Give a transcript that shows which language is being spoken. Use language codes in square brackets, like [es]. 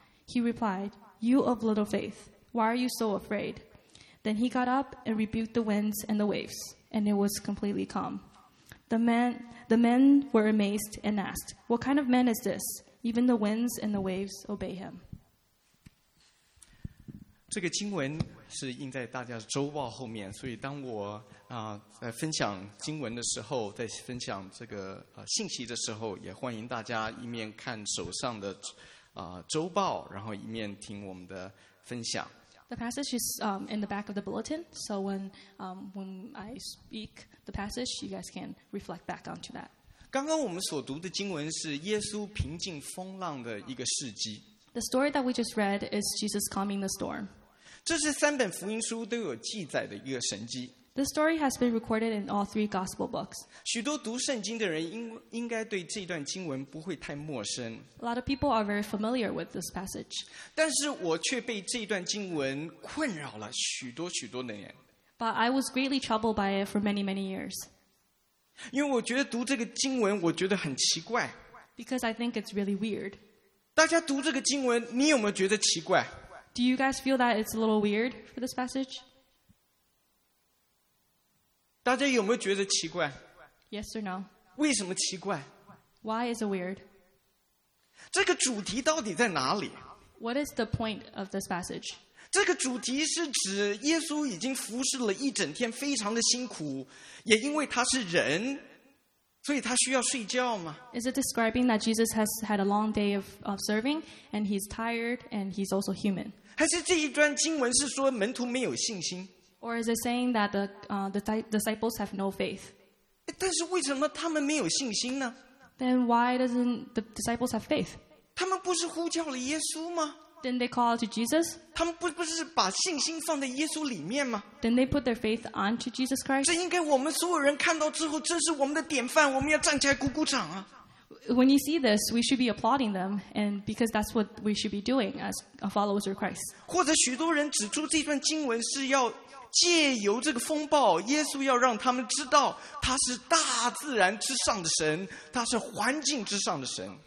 [en] He replied, "You of little faith, why are you so afraid?" Then he got up and rebuked the winds and the waves, and it was completely calm. The men were amazed and asked, "What kind of man is this? Even the winds and the waves obey him." [zh] 这个经文是印在大家的周报后面，所以当我在分享经文的时候，在分享这个信息的时候，也欢迎大家一面看手上的周报，然后一面听我们的分享。 [en] The passage is in the back of the bulletin, so when I speak the passage, you guys can reflect back onto that. [zh] 刚刚我们所读的经文是耶稣平静风浪的一个事迹。 [en] The story that we just read is Jesus calming the storm. [zh] 这是三本福音书都有记载的一个神迹。 [en] The story has been recorded in all three gospel books. [zh] 许多读圣经的人应该对这段经文不会太陌生。 [en] A lot of people are very familiar with this passage. [zh] 但是我却被这段经文困扰了许多许多的年。 [en] But I was greatly troubled by it for many, many years. [zh] 因为我觉得读这个经文我觉得很奇怪。 [en] Because I think it's really weird. [zh] 大家读这个经文你有没有觉得奇怪？ [en] Do you guys feel that it's a little weird for this passage? [zh] 大家有没有觉得奇怪 [en] ？Yes or no？ [zh] 为什么奇怪 [en] ？Why is it weird？ [zh] 这个主题到底在哪里 [en] ？What is the point of this passage？ [zh] 这个主题是指耶稣已经服侍了一整天，非常的辛苦，也因为他是人，所以他需要睡觉吗 [en] ？Is it describing that Jesus has had a long day of serving and he's tired and he's also human？ [zh] 还是这一段经文是说门徒没有信心？ [en] Or is it saying that the disciples have no faith? [zh] 但是为什么他们没有信心呢？ [en] Then why doesn't the disciples have faith? [zh] 他们不是呼叫了耶稣吗？ [en] Didn't they call to Jesus? [zh] 他们不是把信心放在耶稣里面吗？ [en] Didn't they put their faith onto Jesus Christ? [zh] 这应该我们所有人看到之后，这是我们的典范，我们要站起来鼓鼓掌啊！ [en] When you see this, we should be applauding them, and because that's what we should be doing as followers of Christ. [zh] 或者许多人指出这段经文是要借由这个风暴，耶稣要让他们知道他是大自然之上的神，他是环境之上的神。